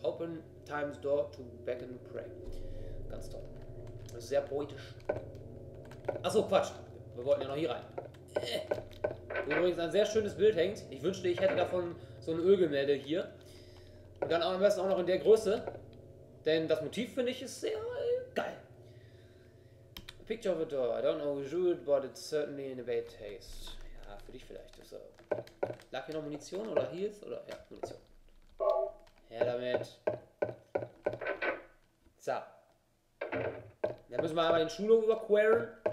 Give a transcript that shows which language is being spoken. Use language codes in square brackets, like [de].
[en] Open time's door to beckon prey. [de] Ganz toll. Das ist sehr poetisch. Achso, Quatsch. Wir wollten ja noch hier rein. Wo übrigens ein sehr schönes Bild hängt. Ich wünschte, ich hätte davon so ein Ölgemälde hier. Dann am besten auch noch in der Größe. Denn das Motiv finde ich ist sehr geil. [en] A picture of a door. I don't know who drew it, but it's certainly in a bad taste. [de] Ja, für dich vielleicht. So. Lag hier noch Munition oder Heals? Oder ja, Munition. Her damit. So. Dann müssen wir einmal den Schulhof überqueren.